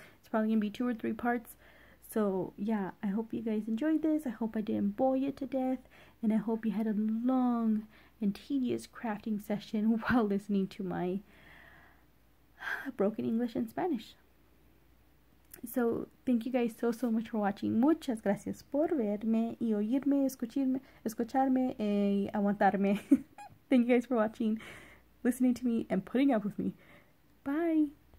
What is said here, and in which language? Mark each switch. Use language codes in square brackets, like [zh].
[en] It's probably going to be two or three parts. So, yeah, I hope you guys enjoyed this. I hope I didn't bore you to death. And I hope you had a long and tedious crafting session while listening to my broken English and Spanish. So, thank you guys so much for watching. [es] Muchas gracias por verme y oírme, escucharme y aguantarme. [en] Thank you guys for watching, listening to me, and putting up with me. Bye!